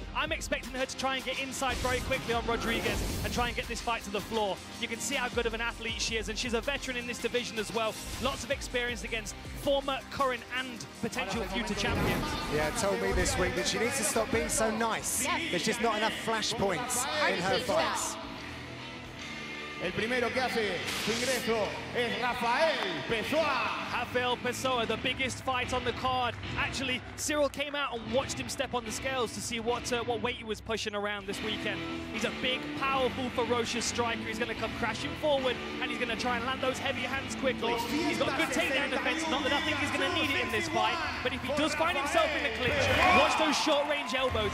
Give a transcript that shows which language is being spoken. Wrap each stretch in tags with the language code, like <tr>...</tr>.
<en>I'm expecting her to try and get inside very quickly on Rodriguez and try and get this fight to the floor. You can see how good of an athlete she is, and she's a veteran in this division as well. Lots of experience against former, current, and potential future champions. Yeah, told me this week that she needs to stop being so nice. Yes. There's just not enough flash points in her fights.</en> <es>El primero que hace su ingreso es Rafael Pessoa.</es> <en>Rafael Pessoa, the biggest fight on the card. Actually, Cyril came out and watched him step on the scales to see what weight he was pushing around this weekend. He's a big, powerful, ferocious striker. He's going to come crashing forward, and he's going to try and land those heavy hands quickly. He's got good takedown defense. Not that I think he's going to need it in this fight, but if he does find himself in the clinch, watch those short-range elbows.</en>